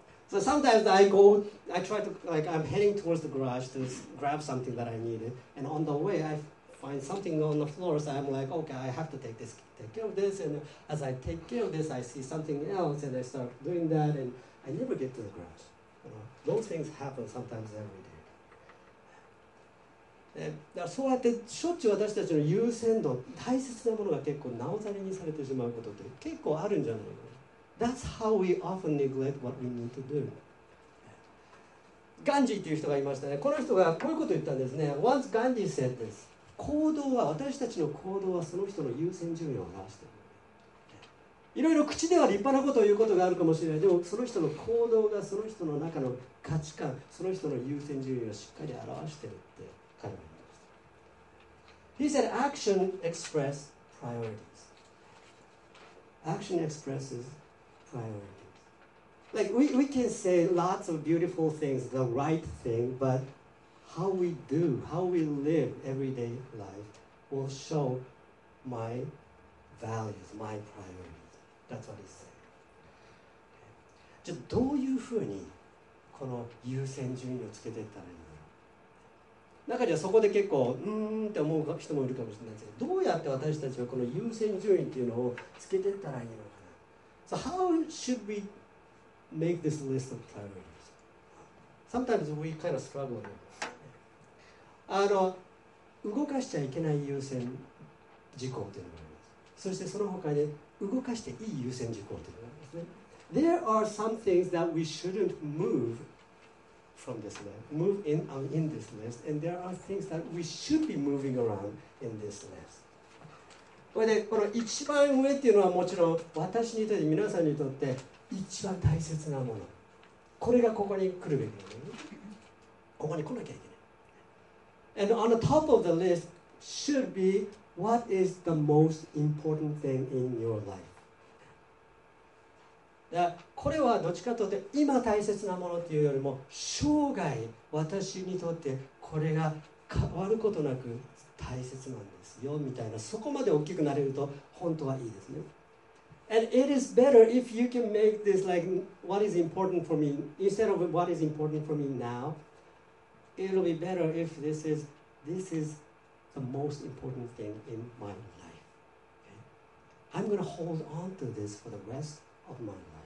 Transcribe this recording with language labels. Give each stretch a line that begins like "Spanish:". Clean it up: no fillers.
English: So sometimes I go, I try to, like I'm heading towards the garage to grab something that I need, and on the way I find something on the floor, so I'm like, okay, I have to take care of this, and as I take care of this, I see something else, and I start doing that, and I never get to the garage. You know, those things happen sometimes every day.
Japanese: だからそうやってしょっちゅう私たちの優先度、大切なものが結構なおざりにされてしまうことって結構あるんじゃないの?
English: That's how we often neglect what we need to do.
Japanese: ガンジーっていう人がいましたね。この人がこういうことを言ったんですね。
English: Once Gandhi said this.
Japanese: 行動は、私たちの行動はその人の優先順位を表している。いろいろ口では立派なことを言うことがあるかもしれない、でもその人の行動がその人の中の価値観、その人の優先順位をしっかり表しているって彼は言いました。
English: He said action express priorities. Action expresses priorities. Like we can say lots of beautiful things, the right thing, butHow we do, how we live everyday life will show my values, my priorities. That's what he's saying.
Japanese: じゃあどういうふうにこの優先順位をつけていったらいいのか。中にはそこで結構うーんって思う人もいるかもしれないですけど、どうやって私たちはこの優先順位っていうのをつけていったらいいのかな。
English: So how should we make this list of priorities? Sometimes we kind of struggle.
Japanese: あの動かしちゃいけない優先事項というのがあります。そしてその他で動かしていい優先事項というのがありますね。
English: There are some things that we shouldn't move from this list, move in this list, and there are things that we should be moving around in this list.
Japanese: これでこの一番上っていうのはもちろん私にとって皆さんにとって一番大切なもの、これがここに来るべきなのに、ここに来なきゃいけない。
English: And on the top of the list should be what is the most important thing in your life.
Japanese: だこれはどっちかというと今大切なものというよりも生涯私にとってこれが変わることなく大切なんですよみたいな、そこまで大きくなれると本当はいいですね。
English: And it is better if you can make this like what is important for me instead of what is important for me nowIt'll be better if this is the most important thing in my life. Okay? I'm going to hold on to this for the rest of my life.